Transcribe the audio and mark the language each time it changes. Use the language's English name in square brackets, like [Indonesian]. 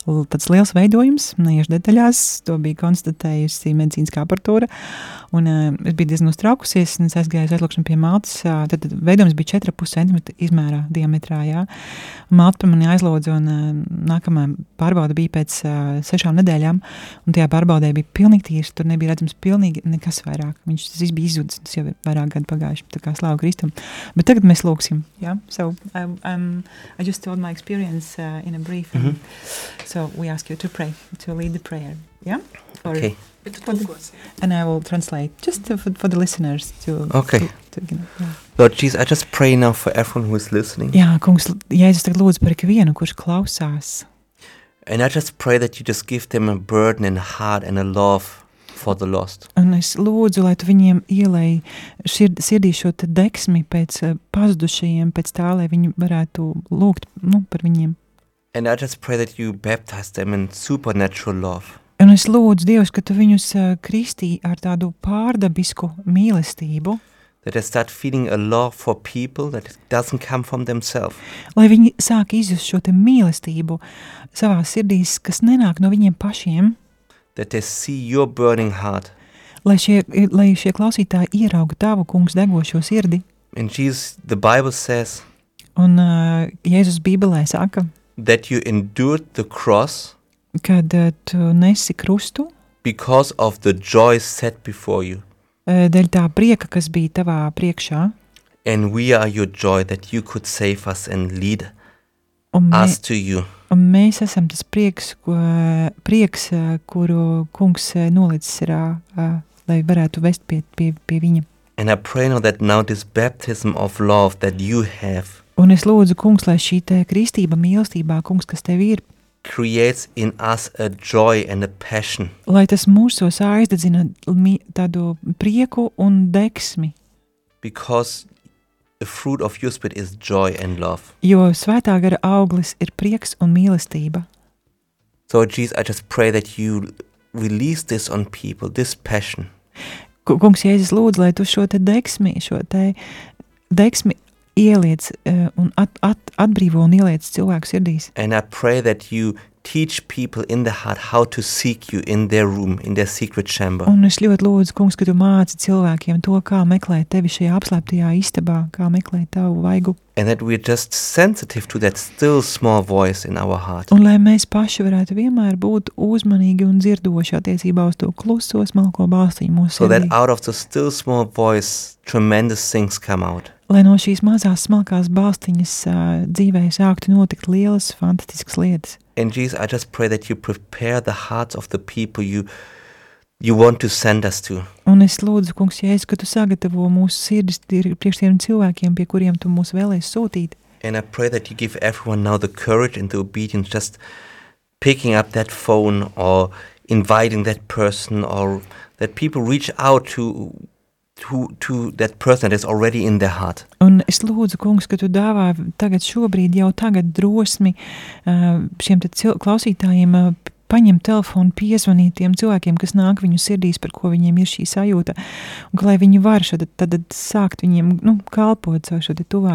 [Latvian] tāds liels veidojums, neiešu detaļās, to bija konstatējusi medicīniskā aparatūra, un es biju diezgan uztraukusies, un es aizgāju uz aizlūkšanu pie Maltas, tad veidojums bija 4,5 cm izmērā diametrā, jā, Malta par mani aizlūdza, un nākamā pārbauda bija pēc 6 nedēļām, un tajā pārbaudē bija pilnīgi tīrs, tur nebija redzams pilnīgi nekas vairāk, viņš tas bija izzudis, tas jau ir vairāk gadu pagājuši, tā kā slāvu Kristum, bet tagad mēs lūksim. [English] Yeah, so I just told my experience in a brief, mm-hmm. so we ask you to pray, to lead the prayer, yeah? Or okay. And I will translate, just for the listeners to... Okay. Lord Jesus, I just pray now for everyone who is listening. [Latvian] Jā, kungs, Jēzus tagad lūdzu par ikvienu, kurš klausās. [English] And I just pray that you just give them a burden and a heart and a love for the lost. [Latvian] Un es lūdzu, lai tu viņiem ielēj sirdī šo deksmi pēc pazudušajiem, pēc tā, lai viņi varētu lūgt, nu, par viņiem. [English] And I just pray that you baptize them in supernatural love. [Latvian] Un es lūdzu, Dievs, ka tu viņus kristī ar tādu pārdabisku mīlestību. [English] That they start feeling a love for people that doesn't come from themselves. [Latvian] Lai viņi sāk izjust šo te mīlestību savā sirdīs, kas nenāk no viņiem pašiem. [English] That they see your burning heart. [Latvian] Lai šie klausītāji ieraugu tavu, kungs, degošo sirdi. [English] And Jesus, the Bible says. [Latvian] Un Jēzus Bībelē saka. [English] That you endured the cross. [Latvian] Kad tu nesi krustu. [English] Because of the joy set before you. [Latvian] Dēļ tā prieka, kas bija tavā priekšā. [English] And we are your joy that you could save us and lead us to you. [Latvian] Un mēs esam tas prieks, kuru kungs nolicis ir, lai varētu vest pie viņa. [English] And I pray now that now this baptism of love that you have. [Latvian] Un es lūdzu, kungs, lai šī kristība mīlestībā, kungs, kas tev ir. [English] Creates in us a joy and a passion. [Latvian] Lai tas mūsos aizdedzina tādu prieku un deksmi. [English] Because the fruit of your spirit is joy and love. [Latvian] Jo svētā gara auglis ir prieks un mīlestība. [English] So Jesus, I just pray that you release this on people, this passion. [Latvian] Kungs Jēzus lūdzu, lai tu šo te deksmi ieliec un atbrīvo un ieliec cilvēku sirdīs. [English] And I pray that you teach people in the heart how to seek you in their room, in their secret chamber. [Latvian] Un es ļoti lūdzu, kungs, ka tu māci cilvēkiem to, kā meklēt tevi šajā apslēptajā istabā, kā meklēt tavu vaigu. [English] And that we are just sensitive to that still small voice in our heart. [Latvian] Un lai mēs paši varētu vienmēr būt uzmanīgi un dzirdoši attiecībā uz to kluso, smalko balsiņu mūsu [English] sirdī. So that out of the still small voice, tremendous things come out. [Latvian] Lai no šīs mazās smalkās balstiņas dzīvē sāktu notikt lielas, fantastiskas lietas. [English] And Jesus, I just pray that you prepare the hearts of the people you want to send us to. [Latvian] Un es lūdzu, kungs Jēzus, ka tu sagatavo mūsu sirdis priekš tiem cilvēkiem, pie kuriem tu mūs vēlēsi sūtīt. [English] And I pray that you give everyone now the courage and the obedience just picking up that phone or inviting that person or that people reach out to that person that is already in their heart. [Latvian] Un es lūdzu, kungs, ka tu dāvā tagad šobrīd, jau tagad drosmi šiem klausītājiem paņem telefonu, piezvanīt tiem cilvēkiem, kas nāk viņu sirdīs, par ko viņiem ir šī sajūta, un ka lai viņi var tad sākt viņiem, nu, kalpot savu šo te tuvāku